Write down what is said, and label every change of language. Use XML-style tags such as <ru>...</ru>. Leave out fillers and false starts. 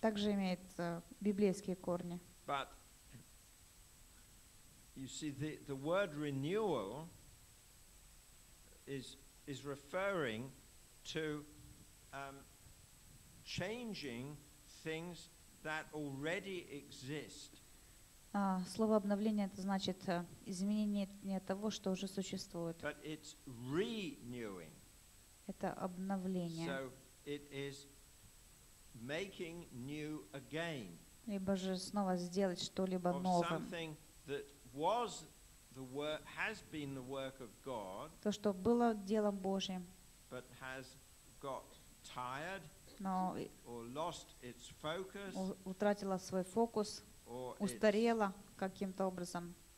<ru>также имеет библейские корни.</ru> <en>But you see, the word renewal is referring to changing things that already exist.</en> <ru>Слово обновление — это значит изменение того, что уже существует.</ru> <en>But it's renewing.</en> <ru>Это обновление.</ru> <en>So it is making new again.</en> <ru>Либо же снова сделать что-либо новым.</ru> <en>Something that was the work, has been the work of God,</en> <ru>то, что было делом Божьим,</ru> <en>but has got tired, or lost its focus,</en> <ru>утратило свой фокус, устарело каким-то образом,</ru>